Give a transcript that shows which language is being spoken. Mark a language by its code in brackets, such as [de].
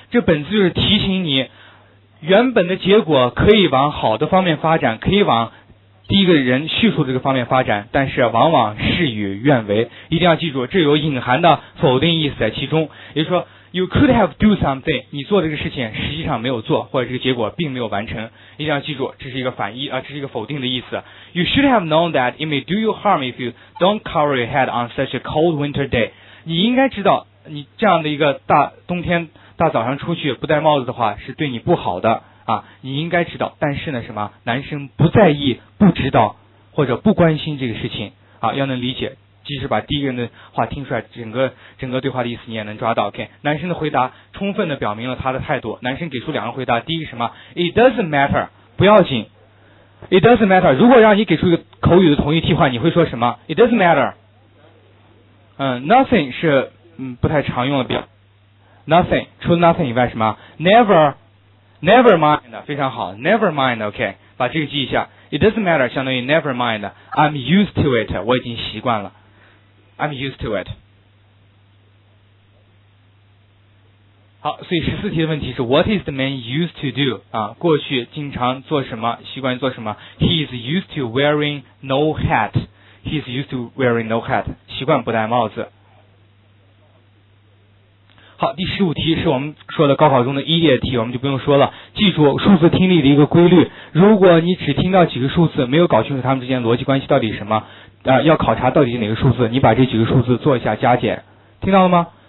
[zh] 这本字就是提醒你，原本的结果可以往好的方面发展，可以往第一个人叙述这个方面发展，但是往往事与愿违。一定要记住，这有隐含的否定意思在其中。也就是说 [en] you could have do something， [zh] 你做这个事情实际上没有做，或者这个结果并没有完成。一定要记住，这是一个反义啊，这是一个否定的意思。 [en] you should have known that it may do you harm if you don't cover your head on such a cold winter day。 [zh] 你应该知道，你这样的一个大冬天大早上出去不戴帽子的话是对你不好的啊，你应该知道，但是呢什么，男生不在意，不知道或者不关心这个事情啊，要能理解，即使把第一个人的话听出来，整个对话的意思你也能抓到。 OK， 男生的回答充分的表明了他的态度。男生给出两个回答，第一个什么， [en] it doesn't matter， [zh] 不要紧。 [en] it doesn't matter， [zh] 如果让你给出一个口语的同意替换，你会说什么？ it doesn't matter。 Nothing 是不太常用的表 ，nothing 除了 nothing 以外什么 ，never mind 非常好 ，never mind OK， 把这个记一下 ，it doesn't matter 相当于 never mind， [en] I'm used to it [zh] 我已经习惯了 ，I'm used to it。好，所以十四题的问题是 [en] What is the man used to do [zh] 啊？过去经常做什么？习惯做什么 [en] ？He is used to wearing no hat。 He's used to wearing no hat， [zh] 习惯不戴帽子。好，第十五题是我们说的高考中的一列题，我们就不用说了。记住数字听力的一个规律，如果你只听到几个数字，没有搞清楚它们之间逻辑关系到底什么，要考察到底是哪个数字，你把这几个数字做一下加减，听到了吗？